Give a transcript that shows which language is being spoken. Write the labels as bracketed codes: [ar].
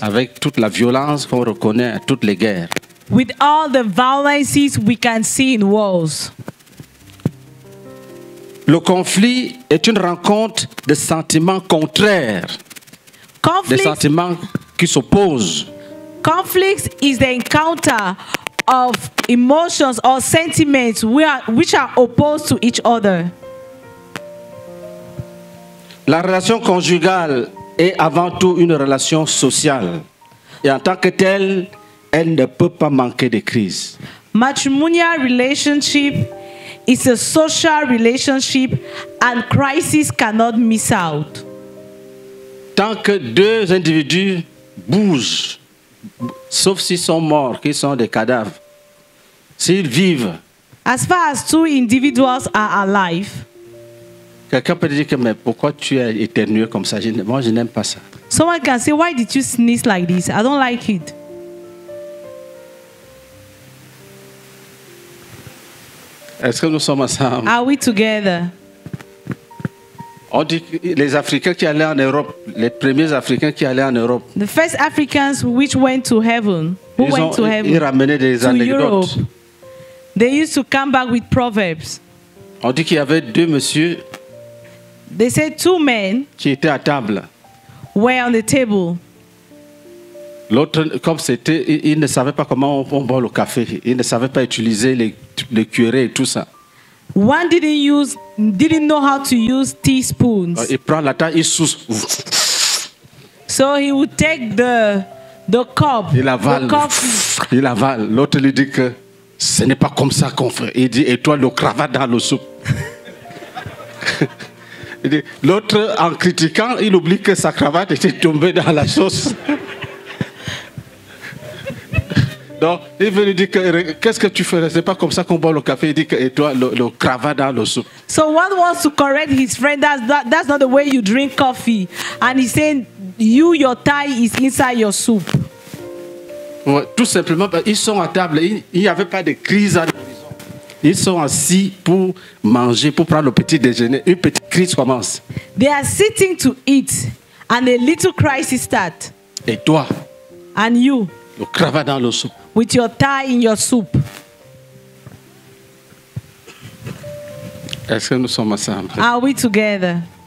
[fr] Avec toute la violence qu'on reconnaît à toutes les guerres. [en] With all the violences we can see in wars. [fr] Le conflit est une rencontre de sentiments contraires. [en] Conflict, [fr] des sentiments qui s'opposent. [en] Conflict is the encounter of emotions or sentiments which are opposed to each other. [fr] La relation conjugale est avant tout une relation sociale. Et en tant que telle, elle ne peut pas manquer de crise. [en] Matrimonial relationship is a social relationship and crisis cannot miss out. [fr] Tant que deux individus bougent, sauf s'ils sont morts, qu'ils sont des cadavres, s'ils vivent. [en] As far as two individuals are alive. [fr] Quelqu'un peut dire que mais pourquoi tu es éternué comme ça? Moi je n'aime pas ça. [en] Someone can say why did you sneeze like this? I don't like it. [fr] Est-ce que nous sommes ensemble? [en] Are we together? [fr] On dit que les Africains qui allaient en Europe, les premiers Africains qui allaient en Europe. [en] The first Africans which went to heaven, who went to heaven? [fr] Ils ramenaient des anecdotes. [en] They used to come back with proverbs. [fr] On dit qu'il y avait deux messieurs. [en] They said two men [fr] qui étaient à table. [en] Were on the table. [fr] L'autre, comme c'était, il ne savait pas comment on boit le café. Il ne savait pas utiliser les cuillerées et tout ça. [en] One didn't know how to use teaspoons. [fr] Il prend la table, il souffle. [en] So he would take the cup. [fr] Il avale. Il avale. L'autre lui dit que ce n'est pas comme ça qu'on fait. Il dit et toi le cravate dans le soupe. L'autre, en critiquant, il oublie que sa cravate était tombée dans la sauce. Donc, il veut lui dire, qu'est-ce que tu ferais? C'est pas comme ça qu'on boit le café. Il dit, et toi, le cravate dans le soupe. [en] So one wants to correct his friend, that's not the way you drink coffee. And he's saying, you, your tie is inside your soup. [fr] Ouais, tout simplement, ils sont à table, il n'y avait pas de crise à ils sont assis pour manger, pour prendre le petit déjeuner. Une petite crise commence. [en] They are sitting to eat, and a little crisis starts. [fr] Et toi? [en] And you? [fr] Le cravate dans le soupe. [en] With your tie in your soup. [fr] Est-ce que nous sommes ensemble? [en] Are we together?